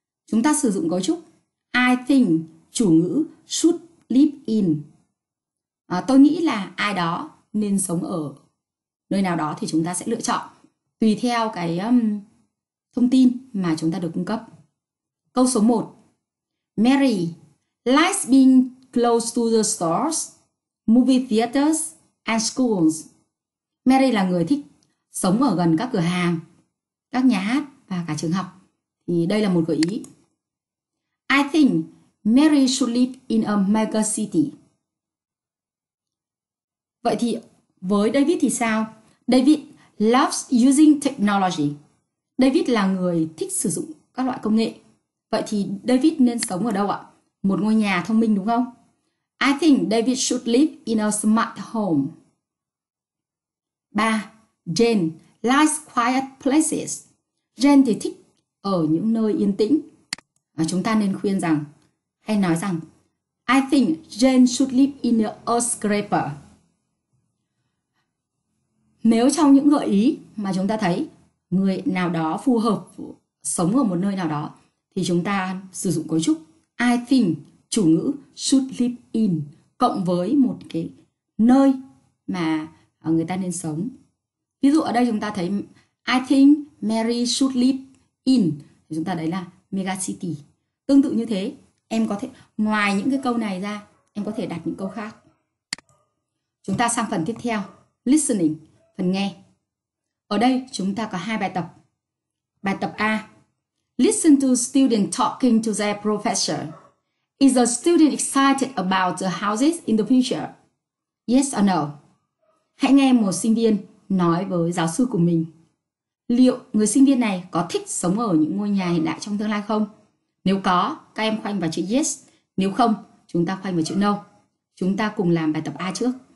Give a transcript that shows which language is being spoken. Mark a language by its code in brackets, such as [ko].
[vi] Chúng ta sử dụng cấu trúc [en] I think, [vi] chủ ngữ, [en] should live in. [vi] Tôi nghĩ là ai đó nên sống ở nơi nào đó thì chúng ta sẽ lựa chọn tùy theo cái thông tin mà chúng ta được cung cấp. Câu số 1. [en] Mary likes being close to the stores, movie theaters and schools. [vi] Mary là người thích sống ở gần các cửa hàng, các nhà hát và cả trường học. Thì đây là một gợi ý. [en] I think Mary should live in a mega city. [vi] Vậy thì với David thì sao? [en] David loves using technology. [vi] David là người thích sử dụng các loại công nghệ. Vậy thì David nên sống ở đâu ạ? Một ngôi nhà thông minh đúng không? [en] I think David should live in a smart home. 3. Jane likes quiet places. [vi] Jane thì thích ở những nơi yên tĩnh. Và chúng ta nên khuyên rằng, hay nói rằng, [en] I think Jane should live in a earth scraper. [vi] Nếu trong những gợi ý mà chúng ta thấy người nào đó phù hợp sống ở một nơi nào đó, thì chúng ta sử dụng cấu trúc [en] I think, [vi] chủ ngữ, [en] should live in, [vi] cộng với một cái nơi mà người ta nên sống. Ví dụ ở đây chúng ta thấy [en] I think Mary should live in, [vi] chúng ta đấy là mega city. Tương tự như thế, em có thể, ngoài những cái câu này ra, em có thể đặt những câu khác. Chúng ta sang phần tiếp theo, listening, phần nghe. Ở đây chúng ta có hai bài tập. Bài tập A, [en] listen to student talking to their professor. Is the student excited about the houses in the future? Yes or no? [vi] Hãy nghe một sinh viên nói với giáo sư của mình. Liệu người sinh viên này có thích sống ở những ngôi nhà hiện đại trong tương lai không? Nếu có, các em khoanh vào chữ yes. Nếu không, chúng ta khoanh vào chữ no. Chúng ta cùng làm bài tập A trước.